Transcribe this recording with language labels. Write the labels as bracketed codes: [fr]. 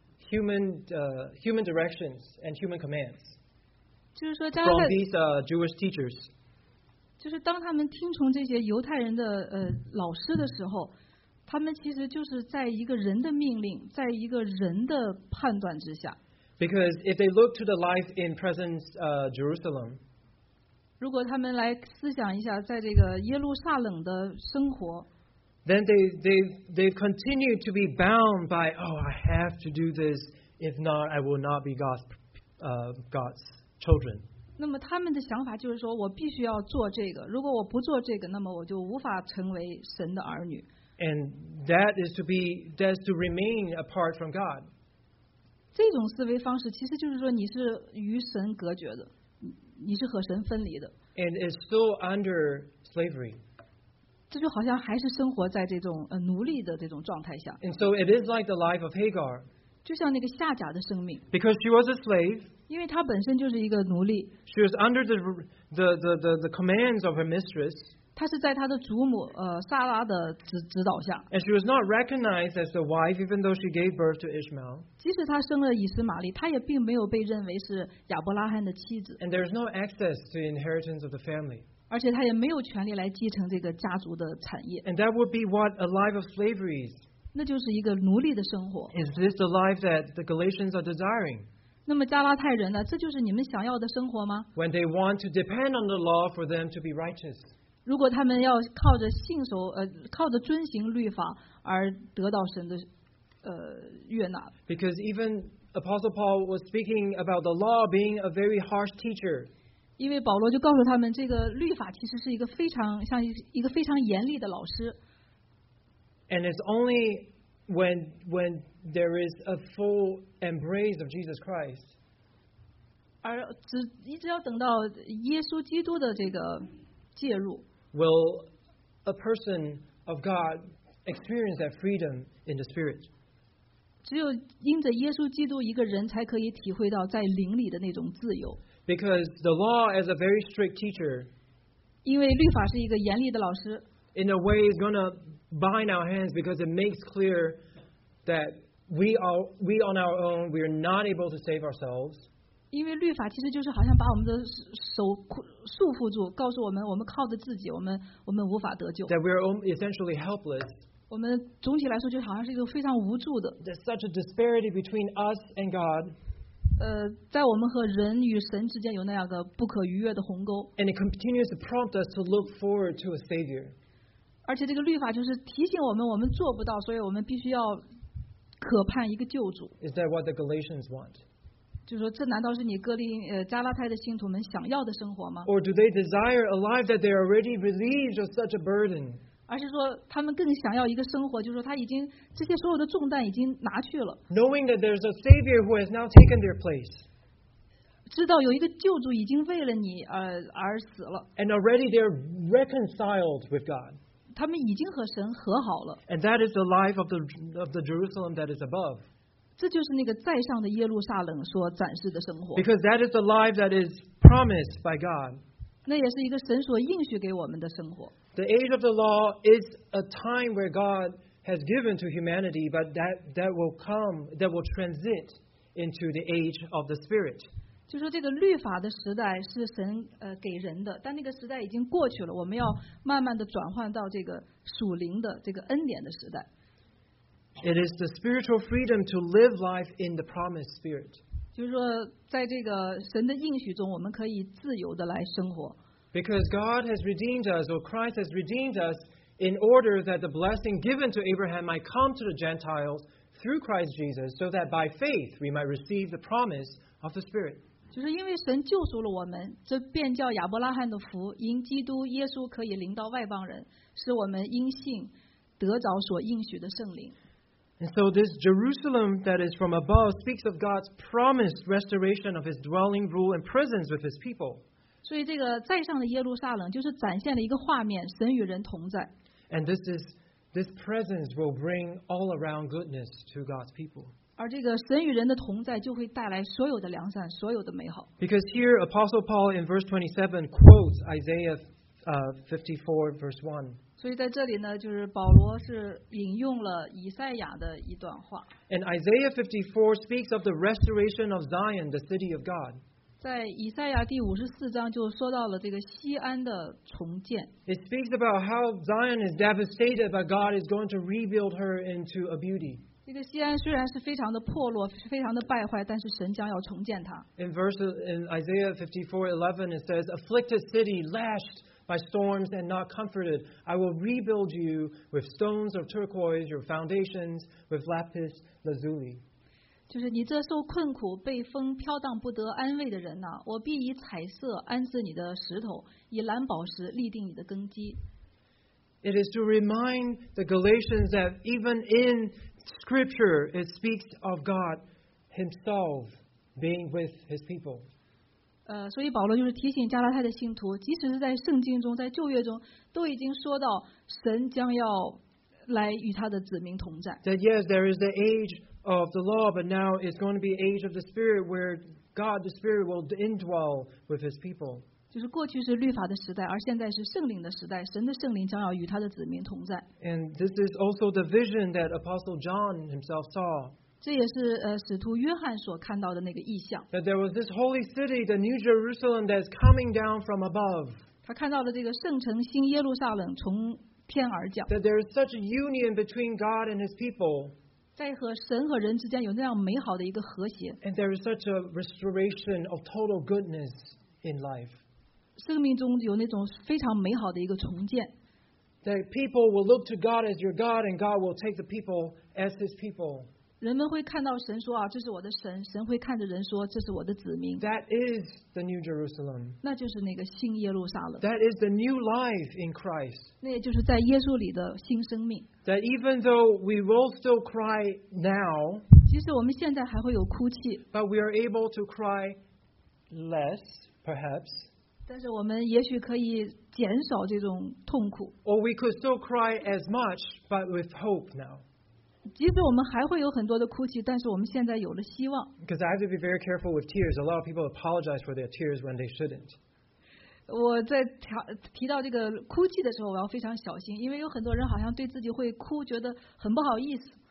[en] Human directions and human commands. [zh] 就是说， [en] from these Jewish teachers. [zh] 就是当他们听从这些犹太人的老师的时候，他们其实就是在一个人的命令，在一个人的判断之下。 [en] Because if they look to the life in present Jerusalem, [zh] 如果他们来思想一下，在这个耶路撒冷的生活。 [en] Then they continue to be bound by, oh, I have to do this. If not, I will not be God's children. [zh] 那么他们的想法就是说，我必须要做这个。如果我不做这个，那么我就无法成为神的儿女。 [en] And that is to be, that's to remain apart from God. [zh] 这种思维方式其实就是说，你是与神隔绝的，你是和神分离的。 [en] And it's still under slavery. [zh] 这就好像还是生活在这种奴隶的这种状态下。 [en] And so it is like the life of Hagar. [zh] 就像那个夏甲的生命。 [en] Because she was a slave. [zh] 因为她本身就是一个奴隶。 [en] She was under the commands of her mistress. [zh] 她是在她的祖母萨拉的指导下。 [en] And she was not recognized as the wife, even though she gave birth to Ishmael. [zh] 即使她生了以斯玛利，她也并没有被认为是亚伯拉罕的妻子。 [en] And there is no access to the inheritance of the family. [zh] 而且他也没有权利来继承这个家族的产业。 [en] And that would be what a life of slavery is. [zh] 那就是一个奴隶的生活。 [en] Is this the life that the Galatians are desiring? [zh] 那么加拉太人呢？这就是你们想要的生活吗 [en] ？When they want to depend on the law for them to be righteous. [zh] 如果他们要靠着信守靠着遵行律法而得到神的悦纳。 [en] Because even Apostle Paul was speaking about the law being a very harsh teacher. [zh] 因为保罗就告诉他们，这个律法其实是一个非常像一个非常严厉的老师。 [en] And it's only when there is a full embrace of Jesus Christ. [zh] 而只一直要等到耶稣基督的这个介入。 [en] Will a person of God experience that freedom in the Spirit? [zh] 只有因着耶稣基督，一个人才可以体会到在灵里的那种自由。 [en] Because the law is a very strict teacher. [zh] 因为律法是一个严厉的老师。 [en] In a way, it's going to bind our hands because it makes clear that we on our own, we are not able to save ourselves. [zh] 因为律法其实就是好像把我们的手束缚住，告诉我们我们靠着自己，我们无法得救。 [en] That we are essentially helpless. [zh] 我们总体来说就好像是一个非常无助的。 [en] There's such a disparity between us and God. [zh] 在我们和人与神之间有那样个不可逾越的鸿沟。 [en] And it continues to prompt us to look forward to a Savior. [zh] 而且这个律法就是提醒我们，我们做不到，所以我们必须要渴盼一个救主。 [en] Is that what the Galatians want? [zh] 就是说，这难道是你哥林加拉太的信徒们想要的生活吗 [en] ？Or do they desire a life that they are already relieved of such a burden？ [zh] 而是说，他们更想要一个生活，就是说，他已经这些所有的重担已经拿去了。 [en] Knowing that there's a Savior who has now taken their place， [zh] 知道有一个救主已经为了你而死了。 [en] And already they're reconciled with God。 [zh] 他们已经和神和好了。 [en] And that is the life of the Jerusalem that is above。 [zh] 这就是那个在上的耶路撒冷所展示的生活。 [en] Because that is the life that is promised by God. [zh] 那也是一个神所应许给我们的生活。 [en] The age of the law is a time where God has given to humanity, but that will come, that will transit into the age of the Spirit. [zh] 就说这个律法的时代是神给人的，但那个时代已经过去了，我们要慢慢的转换到这个属灵的这个恩典的时代。 [en] It is the spiritual freedom to live life in the promised spirit. [zh] 就是说，在这个神的应许中，我们可以自由的来生活。 [en] Because God has redeemed us, or Christ has redeemed us, in order that the blessing given to Abraham might come to the Gentiles through Christ Jesus, so that by faith we might receive the promise of the Spirit. [zh] 就是因为神救赎了我们，这便叫亚伯拉罕的福，因基督耶稣可以临到外邦人，使我们因信得着所应许的圣灵。 [en] And so this Jerusalem that is from above speaks of God's promised restoration of His dwelling, rule, and presence with His people. [zh] 所以这个在上的耶路撒冷就是展现了一个画面，神与人同在。 [en] And this presence will bring all around goodness to God's people. [zh] 而这个神与人的同在就会带来所有的良善，所有的美好。 [en] Because here Apostle Paul in verse 27 quotes Isaiah 54 verse 1. [zh] 所以在这里呢，就是保罗是引用了以赛亚的一段话。 [en] And Isaiah 54 speaks of the restoration of Zion, the city of God. [zh] 在以赛亚第五十四章就说到了这个锡安的重建。 [en] It speaks about how Zion is devastated, but God is going to rebuild her into a beauty. [zh] 这个锡安虽然是非常的破落，非常的败坏，但是神将要重建它。 [en] In Isaiah 54:11, it says, "Afflicted city, lashed." By storms and not comforted, I will rebuild you with stones of turquoise, your foundations with lapis lazuli. [zh] 就是你这受困苦、被风飘荡不得安慰的人呐、啊，我必以彩色安置你的石头，以蓝宝石立定你的根基。 [en] It is to remind the Galatians that even in Scripture, it speaks of God Himself being with His people. [zh] 所以保罗就是提醒加拉太的信徒，即使是在圣经中，在旧约中，都已经说到神将要来与他的子民同在。 [en] That yes, there is the age of the law, but now it's going to be age of the Spirit, where God the Spirit will indwell with His people. [zh] 就是过去是律法的时代，而现在是圣灵的时代，神的圣灵将要与他的子民同在。 [en] And this is also the vision that Apostle John himself saw. [zh] 这也是使徒约翰所看到的那个异象。 [en] That there was this holy city, the New Jerusalem, that is coming down from above. [zh] 他看到了这个圣城新耶路撒冷从天而降。 [en] That there is such a union between God and His people. [zh] 在和神和人之间有那样美好的一个和谐。 [en] And there is such a restoration of total goodness in life. [zh] 生命中有那种非常美好的一个重建。 [en] That people will look to God as your God, and God will take the people as His people. [zh] 人们会看到神说啊，这是我的神。神会看着人说，这是我的子民。 [en] That is the New Jerusalem. [zh] 那就是那个新耶路撒冷。 [en] That is the new life in Christ. [zh] 那也就是在耶稣里的新生命。 [en] That even though we will still cry now, [zh] 即使我们现在还会有哭泣 [en] ，but we are able to cry less, perhaps. [zh] 但是我们也许可以减少这种痛苦。 [en] Or we could still cry as much, but with hope now. [zh] 即使我们还会有很多的哭泣，但是我们现在有了希望。 [en] Because I have to be very careful with tears. A lot of people apologize for their tears when they shouldn't. [zh] 我在提到这个哭泣的时候，我要非常小心，因为有很多人好像对自己会哭，觉得很不好意思。